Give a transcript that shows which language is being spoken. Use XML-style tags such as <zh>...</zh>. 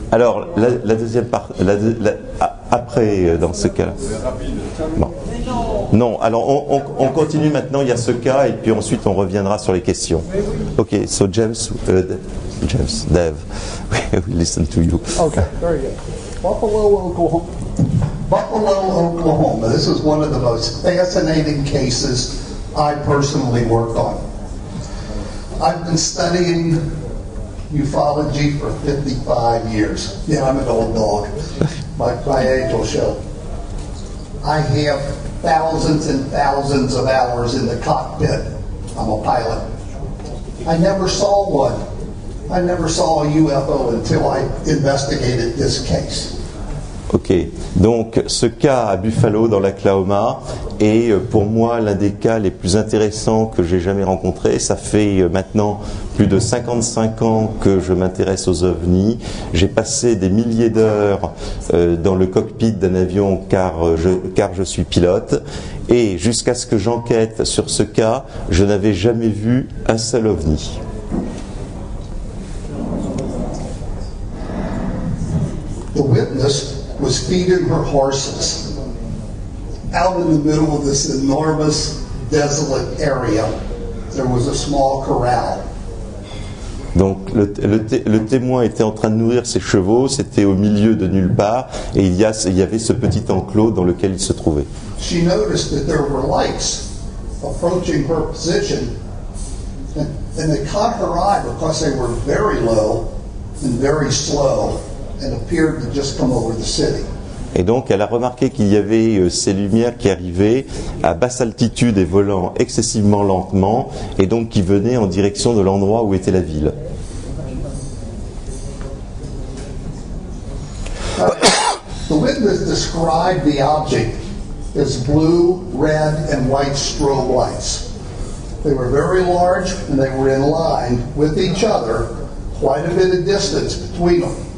<fr>Alors, la deuxième partie, après, dans ce cas-là. Bon. Non, alors on continue maintenant, il y a ce cas, et puis ensuite on reviendra sur les questions.</fr> <en>Ok, so James, James, Dave, we listen to you. Ok, very good. Buffalo, Oklahoma, this is one of the most fascinating cases I personally work on. I've been studying ufology for 55 years. Yeah, I'm an old dog. My age will show. I have thousands and thousands of hours in the cockpit. I'm a pilot. I never saw one. I never saw a UFO until I investigated this case.</en> <fr>Ok, donc ce cas à Buffalo dans l'Oklahoma est pour moi l'un des cas les plus intéressants que j'ai jamais rencontré. Ça fait maintenant plus de 55 ans que je m'intéresse aux ovnis. J'ai passé des milliers d'heures dans le cockpit d'un avion car je suis pilote. Et jusqu'à ce que j'enquête sur ce cas, je n'avais jamais vu un seul ovni.</fr> <en>The witness was feeding her horses out in the middle of this enormous desolate area. There was a small corral.</en> <fr>Donc le témoin était en train de nourrir ses chevaux, c'était au milieu de nulle part, et il y avait ce petit enclos dans lequel il se trouvait.</fr> <en>She noticed that there were lights approaching her position, and they caught her eye because they were very low and very slow and appeared to just come over the city.</en> <fr>Et donc, elle a remarqué qu'il y avait ces lumières qui arrivaient à basse altitude et volant excessivement lentement, et donc qui venaient en direction de l'endroit où était la ville.</fr> <en>The witness described the object as blue, red, and white strobe lights. They were very large, and they were in line with each other, quite a bit of distance between them.</en>